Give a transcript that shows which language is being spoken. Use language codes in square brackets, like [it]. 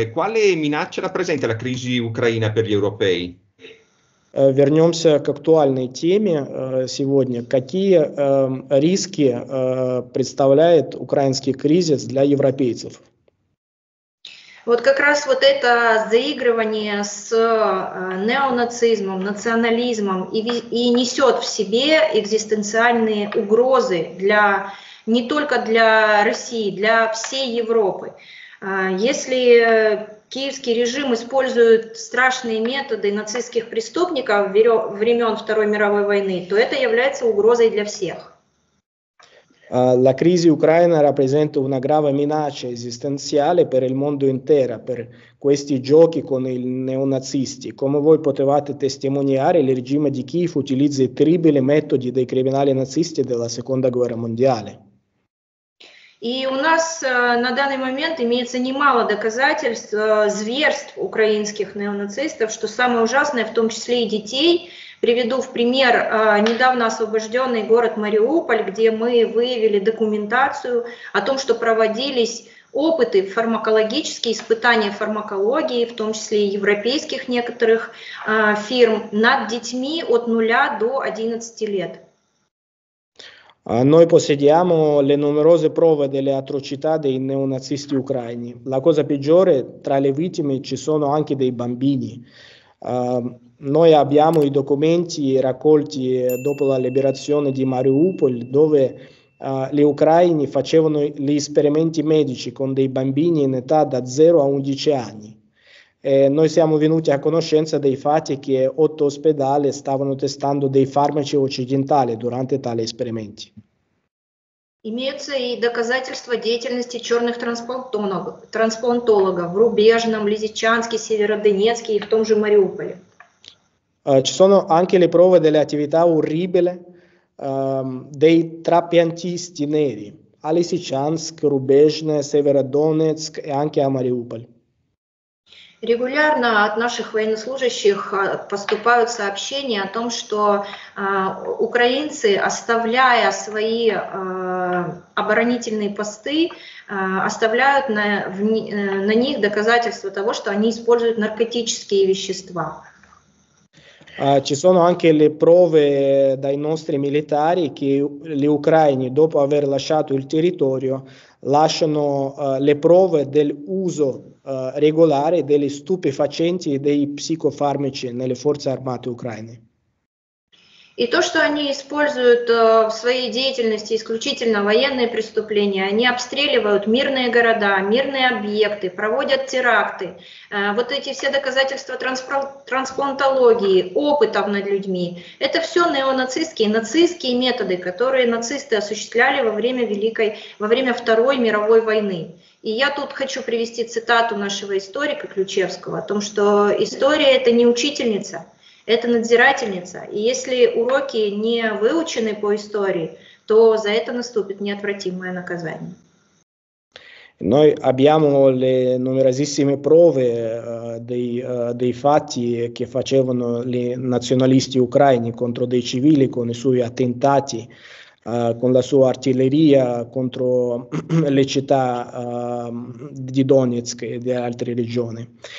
[it] Quale minaccia rappresenta la crisi ucraina per gli europei? [ru] Вернемся к актуальной теме сегодня. Какие риски представляет украинский кризис для европейцев? Вот как раз вот это заигрывание с неонацизмом, национализмом и несет в себе экзистенциальные угрозы для не только для России, для всей Европы. Если киевский режим использует страшные методы нацистских преступников времен Второй мировой войны, то это является угрозой для всех. [it] La crisi ucraina rappresenta una grave minaccia esistenziale per il mondo intero, per questi giochi con i neonazisti. Come voi potevate testimoniare, il regime di Kiev utilizza i terribili metodi dei criminali nazisti della Seconda Guerra Mondiale. [ru] И у нас на данный момент имеется немало доказательств зверств украинских неонацистов, что самое ужасное, в том числе и детей. Приведу в пример недавно освобожденный город Мариуполь, где мы выявили документацию о том, что проводились опыты фармакологические, испытания фармакологии, в том числе и европейских некоторых фирм, над детьми от 0 до 11 лет. [it] Noi possediamo le numerose prove delle atrocità dei neonazisti ucraini. La cosa peggiore, tra le vittime ci sono anche dei bambini. Noi abbiamo i documenti raccolti dopo la liberazione di Mariupol, dove gli ucraini facevano gli esperimenti medici con dei bambini in età da 0 a 11 anni. Noi siamo venuti a conoscenza dei fatti che 8 ospedali stavano testando dei farmaci occidentali durante tali esperimenti. [ru] Имеются и доказательства деятельности черных трансплантологов в Рубежном, Лисичанске, Северодонецке и в том же Мариуполе. [it] Ci sono anche le prove delle attività orribili dei trapiantisti neri a Лисичанск, Рубежне, Северодонецк и anche a Мариуполь. [ru] Регулярно от наших военнослужащих поступают сообщения о том, что украинцы, оставляя свои оборонительные посты, оставляют на них доказательства того, что они используют наркотические вещества. [it] Ci sono anche le prove dai nostri militari che gli ucraini, dopo aver lasciato il territorio, lasciano le prove dell'uso regolare degli stupefacenti e dei psicofarmaci nelle forze armate ucraine. [ru] И то, что они используют в своей деятельности исключительно военные преступления, они обстреливают мирные города, мирные объекты, проводят теракты. Вот эти все доказательства трансплантологии, опытов над людьми, это все неонацистские, нацистские методы, которые нацисты осуществляли во время Второй мировой войны. И я тут хочу привести цитату нашего историка Ключевского о том, что история — это не учительница, это надзирательница. И если уроки не выучены по истории, то за это наступит неотвратимое наказание. [it] Noi abbiamo le numerosissime prove dei fatti che facevano i nazionalisti ucraini contro dei civili, con i suoi attentati, con la sua artiglieria contro le città di Donetsk e di altre regioni.